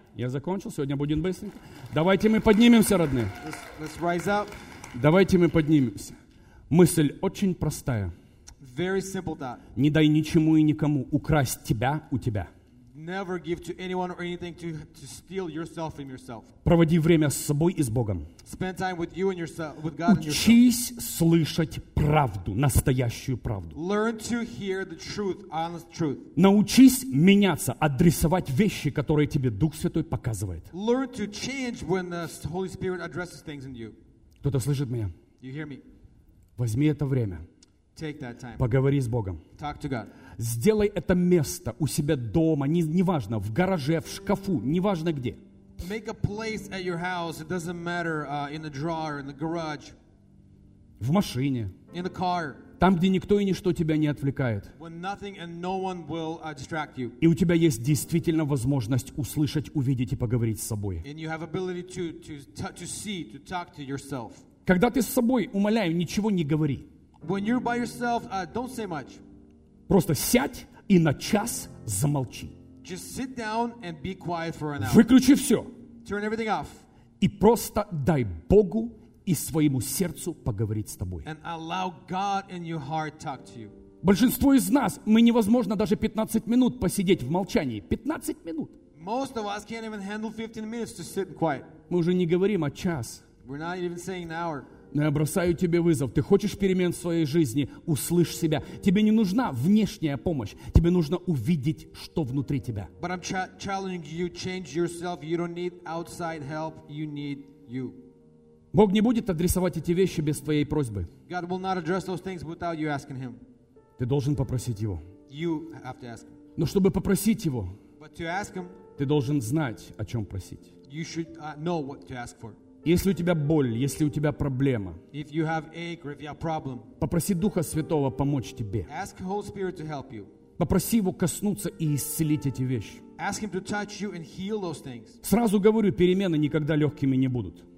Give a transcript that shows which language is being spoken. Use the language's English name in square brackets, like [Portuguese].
[Russian] Я закончил, сегодня будем быстренько. Давайте мы поднимемся, родные. [English] Let's rise up. [Russian] Давайте мы поднимемся. Мысль очень простая. [English] Very simple thought. [Russian] Не дай ничему и никому украсть тебя у тебя. [English] Never give to anyone or anything to steal yourself from yourself. [Russian] Проводи время с собой и с Богом. [English] Spend time with you and yourself, with God. [Russian] Учись слышать правду, настоящую правду. [English] Learn to hear the truth, honest truth. [Russian] Научись меняться, адресовать вещи, которые тебе Дух Святой показывает. [English] Learn to change when the Holy Spirit addresses things in you. [Russian] Кто-то слышит меня? [English] You hear me? [Russian] Возьми это время. [English] Take that time. [Russian] Поговори с Богом. [English] Talk to God. [Russian] Сделай это место у себя дома, неважно, в гараже, в шкафу, неважно где. [English] Make a place at your house, it doesn't matter, in the drawer, in the garage. [Russian] В машине. [English] In the car. [Russian] Там, где никто и ничто тебя не отвлекает. [English] When nothing and no one will distract you. [Russian] И у тебя есть действительно возможность услышать, увидеть и поговорить с собой. [English] And you have ability to see, to talk to yourself. [Russian] Когда ты с собой, умоляю, ничего не говори. [English] When you're by yourself, don't say much. [Russian] Просто сядь и на час замолчи. [English] Just sit down and be quiet for an hour. [Russian] Выключи все. [English] Turn everything off. [Russian] И просто дай Богу и своему сердцу поговорить с тобой. [English] And allow God in your heart talk to you. [Russian] Большинство из нас, мы невозможно даже 15 минут посидеть в молчании. 15 минут. [English] Most of us can't even handle 15 minutes to sit in quiet. [Russian] Мы уже не говорим о час. [English] We're not even saying an hour. [Russian] Но я бросаю тебе вызов. Ты хочешь перемен в своей жизни? Услышь себя. Тебе не нужна внешняя помощь. Тебе нужно увидеть, что внутри тебя. [English] But I'm challenging you, change yourself. You don't need outside help. You need you. [Russian] Бог не будет адресовать эти вещи без твоей просьбы. [English] God will not address those things without you asking him. [Russian] Ты должен попросить его. [English] You have to ask him. [Russian] Но чтобы попросить его, [English] But to ask him, [Russian] ты должен знать, о чем просить. [English] You should know what to ask for. [Russian] Если у тебя боль, если у тебя проблема, [English] problem, [Russian] попроси Духа Святого помочь тебе. [English] Ask Holy Spirit to help you. [Russian] Попроси Его коснуться и исцелить эти вещи. [English] Ask him to touch you and heal those things. [Russian] Сразу говорю, перемены никогда легкими не будут.